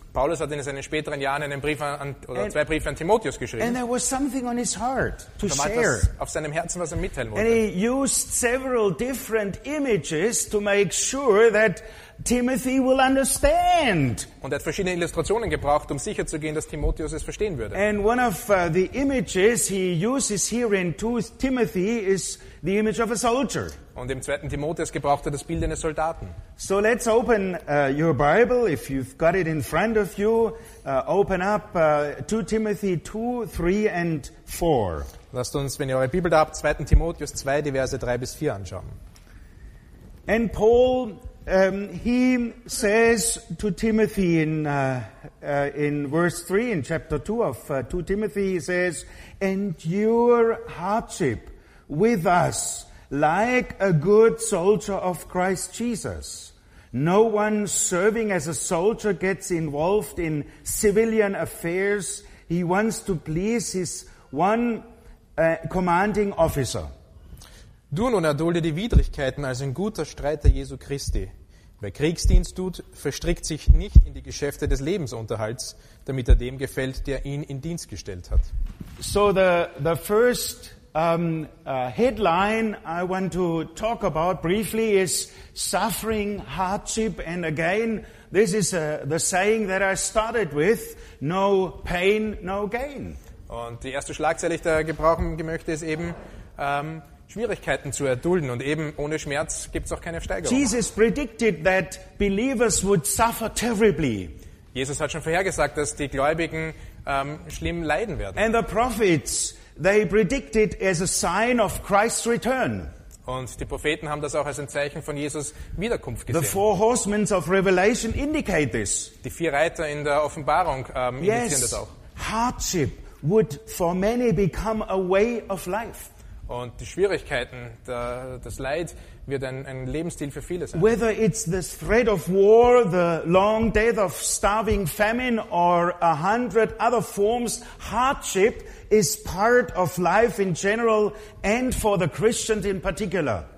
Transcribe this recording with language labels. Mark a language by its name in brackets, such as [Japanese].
[German] Paulus hat in seinen späteren Jahren einen Brief zwei Briefe an Timotheus geschrieben. [English] And there was something on his heart to share. [German] Er hat auf seinem Herzen was er mitteilen wollte. [English] And he used several different images to make sure that Timothy will understand. [German] Und er hat verschiedene Illustrationen gebraucht, um sicherzugehen, dass Timotheus es verstehen würde. [English] And one of the images he uses here in 2 Timothy is the image of a soldier. [German] Und im 2. Timotheus gebraucht er das Bild eines Soldaten. [English] So let's open your Bible, if you've got it in front of you. Open up 2 Timothy 2, 3 and 4. [German] Lasst uns, wenn ihr eure Bibel da habt, 2. Timotheus 2, die Verse 3 bis 4 anschauen. [English] And Paul, he says to Timothy in verse 3, in chapter 2 of 2 Timothy, he says, endure hardship with us like a good soldier of Christ Jesus. No one serving as a soldier gets involved in civilian affairs. He wants to please his one commanding officer. [German] Du nun erdulde die Widrigkeiten als ein guter Streiter Jesu Christi. Wer Kriegsdienst tut, verstrickt sich nicht in die Geschäfte des Lebensunterhalts, damit er dem gefällt, der ihn in Dienst gestellt hat. [English] So the first headline I want to talk about briefly is suffering hardship, and again this is the saying that I started with, no pain, no gain. [German] Und die erste Schlagzeile, ich da gebrauchen möchte, ist eben Schwierigkeiten zu erdulden, und eben ohne Schmerz gibt's auch keine Steigerung. [English] Jesus predicted that believers would suffer terribly. [German] Jesus hat schon vorhergesagt, dass die Gläubigen schlimm leiden werden. [English] And the prophets, they predicted as a sign of Christ's return. [German] Und die Propheten haben das auch als ein Zeichen von Jesus Wiederkunft gesehen. [English] The four horsemen of Revelation indicate this. [German] Die vier Reiter in der Offenbarung indizieren das auch. [English] Hardship would for many become a way of life. [German] Und die Schwierigkeiten, das Leid wird ein Lebensstil für viele sein. [English] Whether it's the threat of war, the long death of starving famine or 100 other forms, hardship is part of life in general and for the Christians in particular.